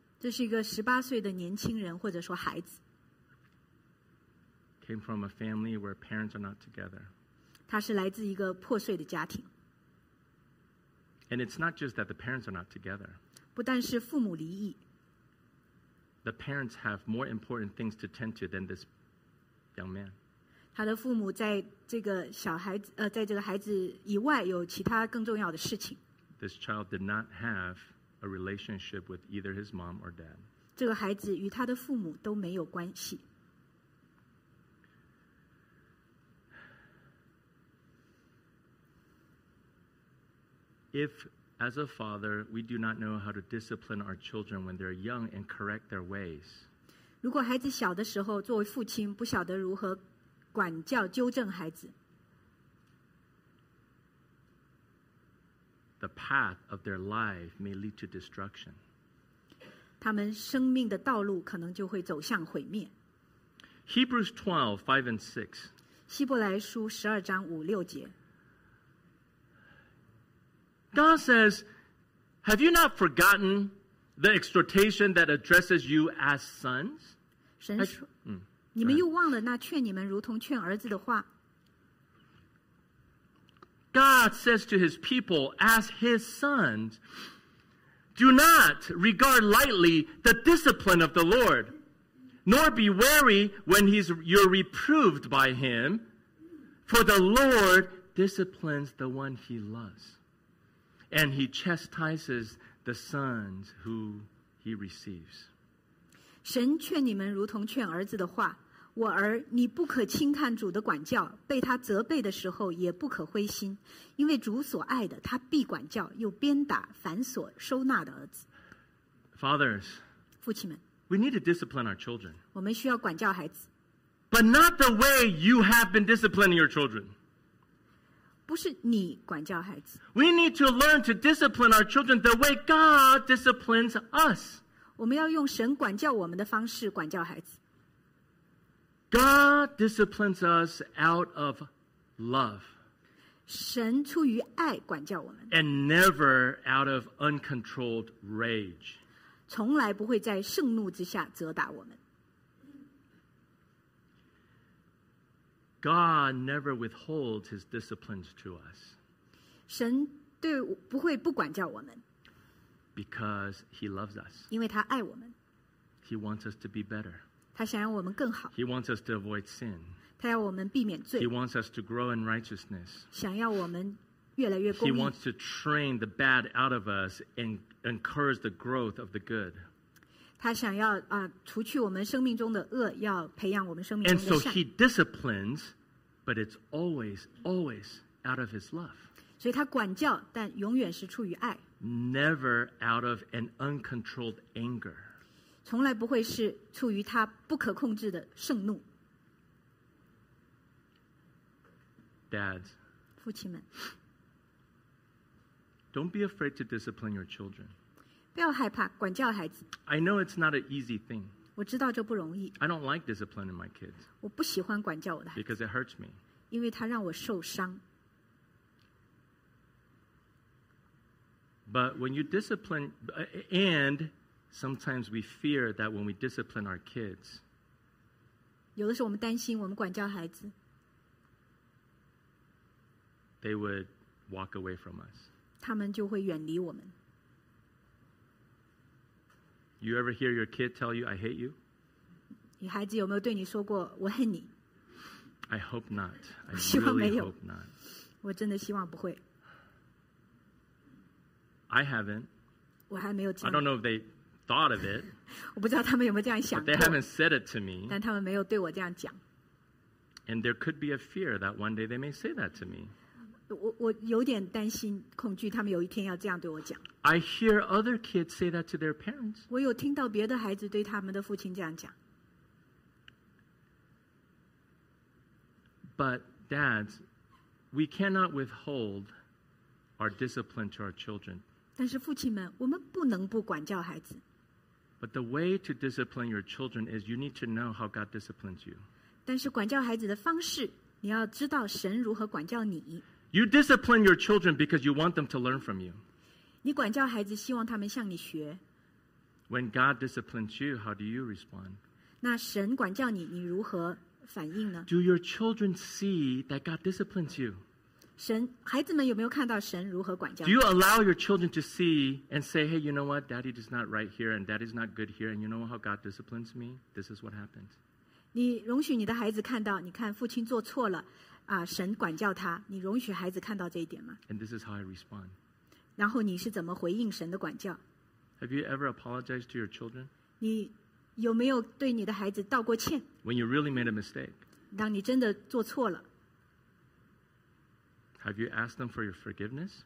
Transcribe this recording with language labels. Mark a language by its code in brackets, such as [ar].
[zh] 这是一个18岁的年轻人或者说孩子。 [en] Came from a family where parents are not together. [zh] 他是来自一个破碎的家庭。 [en] And it's not just that the parents are not together. [zh] 不但是父母离异。 [en] The parents have more important things to tend to than this young man. [zh] 他的父母在这个小孩子在这个孩子以外有其他更重要的事情。 [en] This child did not have a relationship with either his mom or dad. [zh] 这个孩子与他的父母都没有关系。 [en] If, as a father, we do not know how to discipline our children when they're young and correct their ways. [zh] 如果孩子小的时候作为父亲不晓得如何管教纠正孩子。 [en] The path of their life may lead to destruction. [zh] 他们生命的道路可能就会走向毁灭。 [en] Hebrews 12, 5 and 6. [zh] 希伯来书12章5、6节。 [en] God says, Have you not forgotten the exhortation that addresses you as sons? [zh] 神说你们又忘了那劝你们如同劝儿子的话。 [en] God says to his people as his sons, Do not regard lightly the discipline of the Lord, nor be weary when you're reproved by him, for the Lord disciplines the one he loves, and he chastises the sons who he receives. [zh] 神劝你们如同劝儿子的话。我儿，你不可轻看主的管教，被他责备的时候也不可灰心，因为主所爱的，他必管教，又鞭打凡所收纳的儿子。 [en] Fathers, [zh] 父亲们 [en] ，We need to discipline our children. [zh] 我们需要管教孩子 [en] ，But not the way you have been disciplining your children. [zh] 不是你管教孩子。 [en] We need to learn to discipline our children the way God disciplines us. [zh] 我们要用神管教我们的方式管教孩子。 [en] God disciplines us out of love. [zh] 神出于爱管教我们。 [en] And never out of uncontrolled rage. [zh] 从来不会在盛怒之下责打我们。 [en] God never withholds his disciplines to us. [zh] 神对不会不管教我们。 [en] Because he loves us. [zh] 因为他爱我们。 [en] He wants us to be better. [zh] 他想要我们更好。 [en] He wants us to avoid sin. [zh] 他要我们避免罪。 [en] He wants us to grow in righteousness. [zh] 想要我们越来越公义。 [en] He wants to train the bad out of us and encourage the growth of the good. [zh] 他想要除去我们生命中的恶，要培养我们生命中的善。 [en] And so he disciplines, but it's always, always out of his love. [zh] 所以他管教，但永远是出于爱。 [en] Never out of an uncontrolled anger. [zh] 从来不会是出于他不可控制的盛怒。 [en] Dads, [zh] 父亲们， [en] don't be afraid to discipline your children. [zh] 不要害怕管教孩子。 [en] I know it's not an easy thing. [zh] 我知道这不容易。 [en] I don't like disciplining my kids. [zh] 我不喜欢管教我的孩子。 [en] Because it hurts me. [zh] 因为它让我受伤。 [en] But when you discipline, and sometimes we fear that when we discipline our kids, [zh] 有的时候我们担心我们管教孩子。 [en] They would walk away from us. [zh] 他们就会远离我们。 [en] You ever hear your kid tell you, I hate you? [zh] 你孩子有没有对你说过我恨你？ [en] I hope not. I [zh] 希望没有。 [en] I really hope not. [zh] 我真的希望不会。 [en] I haven't. [zh] 我还没有这样。 [en] I don't know if they thought of it. [zh] 我不知道他们有没有这样想过。 [en] But they haven't said it to me. [zh] 但他们没有对我这样讲。 [en] And there could be a fear that one day they may say that to me. [zh] 我有点担心恐惧他们有一天要这样对我讲。 [en] I hear other kids say that to their parents. [zh] 我有听到别的孩子对他们的父亲这样讲。 [en] But dads, we cannot withhold our discipline to our children. [zh] 但是父亲们，我们不能不管教孩子。 [en] But the way to discipline your children is you need to know how God disciplines you. [zh] 但是管教孩子的方式，你要知道神如何管教你。 [en] You discipline your children because you want them to learn from you. [zh] 你管教孩子，希望他们向你学。 [en] When God disciplines you, how do you respond? [zh] 那神管教你，你如何反应呢？ [en] Do your children see that God disciplines you? [zh] 神，孩子们有没有看到神如何管教？ [en] Do you allow your children to see and say, hey, you know what? Daddy is not right here and daddy is not good here. And you know how God disciplines me? This is what happens. [zh] 你容许你的孩子看到，你看父亲做错了。神管教他，你容许孩子看到这一点吗？ [en] And this is how I respond. [zh] 然后你是怎么回应神的管教？ [en] Have you ever apologized to your children? [zh] 你有没有对你的孩子道过歉？ [en] When you really made a mistake. [zh] 当你真的做错了。 [en] Have you asked them for your forgiveness?